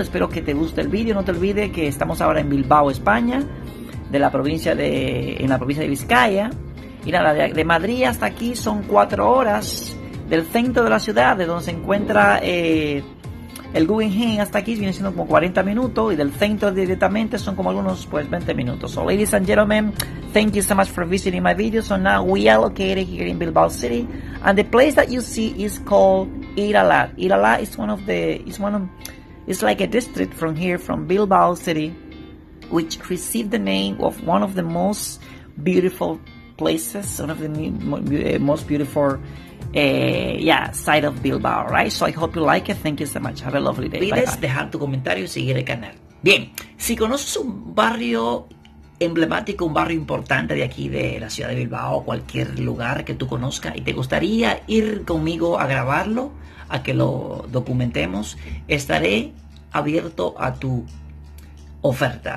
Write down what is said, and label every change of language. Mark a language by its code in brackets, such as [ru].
[es] Espero que te guste el vídeo. No te olvides que estamos ahora en Bilbao, España, de la provincia de, en la provincia de Vizcaya. Y nada, de Madrid hasta aquí son 4 horas. Del centro de la ciudad, de donde se encuentra el Guggenheim, hasta aquí viene siendo como 40 minutos. Y del centro directamente son como algunos, pues, 20 minutos. [en] So, ladies and gentlemen, thank you so much for visiting my video. So now we are located here in Bilbao City. And the place that you see is called Iralat. Iralat is one of the, it's like a district from here, from Bilbao City, which received the name of one of the most beautiful places, one of the most beautiful, side of Bilbao, right? So I hope you like it. Thank you so much. Have a lovely day. [es] Puedes dejar tu comentario y seguir el canal. Bien, si conoces un barrio emblemático, un barrio importante de aquí de la ciudad de Bilbao, cualquier lugar que tú conozcas y te gustaría ir conmigo a grabarlo, a que lo documentemos, estaré abierto a tu oferta.